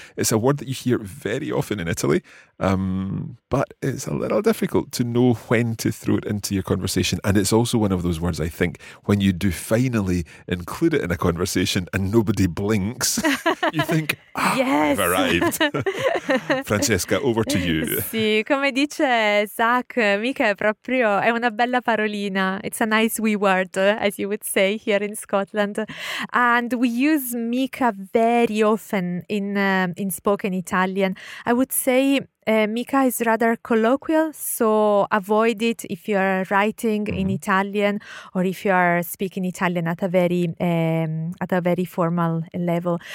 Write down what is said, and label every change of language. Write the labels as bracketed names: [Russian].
[English] It's a word that you hear very often in Italy, but it's a little difficult to know when to throw it into your conversation. And it's also one of those words, I think, when you do finally include it in a conversation and nobody blinks, you think, yes. I've arrived. Francesca, over to you. [Italian] Sì, come dice Zach, mica è proprio, è una bella parolina. [English] It's a nice wee word, as you would say here in Scotland. And we use mica very often in spoken Italian. I would say Mika is rather colloquial, so avoid it if you are writing in Italian or if you are speaking Italian at a very formal level.